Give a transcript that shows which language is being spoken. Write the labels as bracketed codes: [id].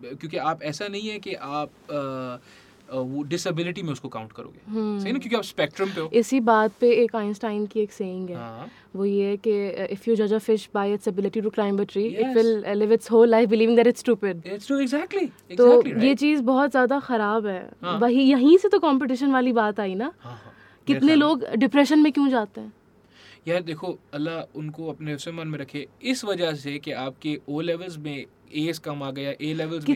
[hi] क्योंकि आप ऐसा नहीं है कि आप वो disability में उसको count करोगे, सही ना, क्योंकि आप spectrum पे हो. इसी बात पे एक Einstein की एक saying है, वो ये है कि [en] if you judge a fish by its ability to climb a tree, it will live its whole life believing that it's stupid. It's true, exactly. [hi] तो ये चीज बहुत ज़्यादा ख़राब है. वही, यहीं से तो competition वाली बात आई ना. कितने लोग depression में क्यों जाते हैं? यार देखो, अल्लाह उनको अपने मन में रखे, इस वजह से कि आपके ओ लेवल्स में एस कम आ गया, ए लेवल्स में